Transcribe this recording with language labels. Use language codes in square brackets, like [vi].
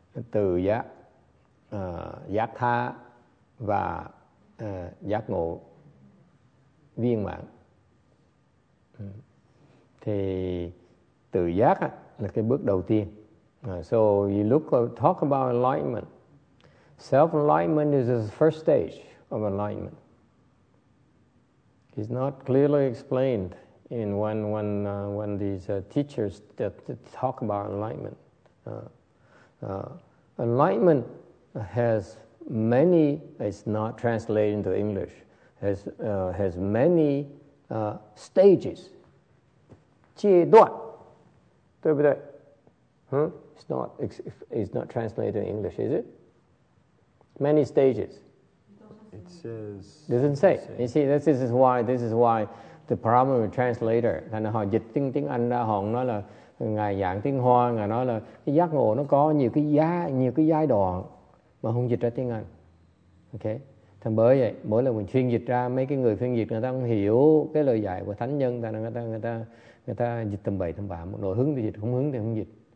[vi] Từ giác, giác tha và giác ngộ viên mãn. Thì tự giác là cái bước đầu tiên. [en] So you look, talk about enlightenment. Self-enlightenment is the first stage of enlightenment. It's not clearly explained in when these teachers talk about enlightenment. Enlightenment has many, it's not translated into English, has many stages. It's not translated in English, is it? Many stages. It says. Doesn't say. You see, this is why the problem with translator. [vi] Thành họ dịch tiếng tiếng Anh ra họ nói là ngài giảng tiếng Hoa, ngài nói là cái giác ngộ nó có nhiều cái giai đoạn mà không dịch ra tiếng Anh. Okay. Thành bởi vậy, mỗi lần mình phiên dịch ra, mấy cái người phiên dịch người ta không hiểu cái lời dạy của thánh nhân, người ta dịch tầm bậy tầm bạ, một nỗi hứng thì dịch, không hứng thì không dịch.